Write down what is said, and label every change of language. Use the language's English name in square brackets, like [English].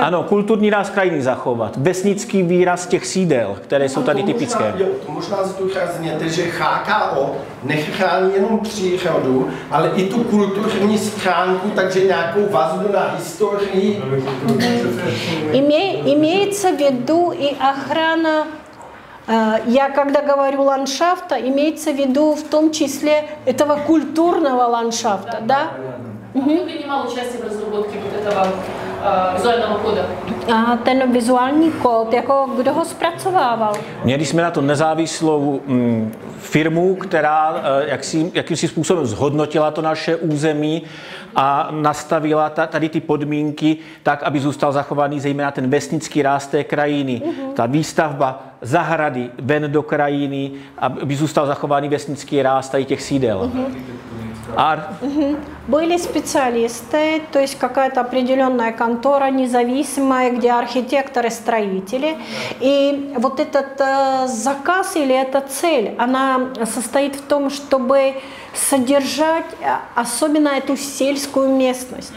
[Czech] Ano, kulturní ráz krajiny zachovat. Vesnický výraz těch sídel, které jsou tady typické. To možná zdůrazněte, že HKO nechrání jenom přírodu, ale i tu kulturní stránku, takže nějakou vazbu na historii. [Russian] Имеется в виду и охрана, я когда говорю ландшафта, имеется в виду в том числе этого культурного ландшафта, да? Кто принимал участие в разработке вот этого визуального кода? [Czech] A ten vizuální kód, jako kdo ho zpracovával? Měli jsme na to nezávislou firmu, která jakýmsi způsobem zhodnotila to naše území a nastavila tady ty podmínky tak, aby zůstal zachovaný zejména ten vesnický ráz té krajiny, ta výstavba zahrady ven do krajiny, aby zůstal zachovaný vesnický ráz tady těch sídel. [Russian] Были специалисты, то есть какая-то определенная контора, независимая, где архитекторы, строители. И вот этот заказ или эта цель, она состоит в том, чтобы содержать особенно эту сельскую местность.